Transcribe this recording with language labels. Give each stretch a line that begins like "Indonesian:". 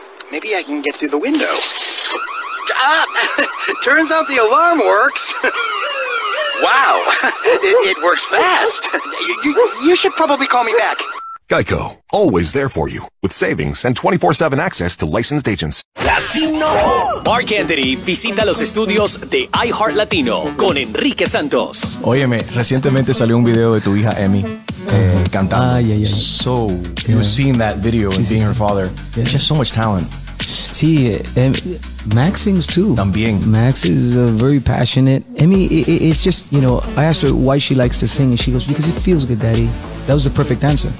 English: Maybe I can get through the window. Turns out the alarm works. Wow, it works fast. You should probably call me back. GEICO, always there for you, with savings and 24/7 access to licensed agents. Latino!
Spanish: Mark Anthony visita los estudios de iHeart Latino con Enrique Santos. Óyeme, recientemente salió un video de tu hija Emmy cantando.
English: Ah, yeah. So, you've seen that video and being her father. Yeah. Just so much talent. Sí, Max sings too.
Spanish: También.
English: Max is very passionate. Emmy, it's just, you know, I asked her why she likes to sing and she goes, because it feels good, Daddy. That was the perfect answer.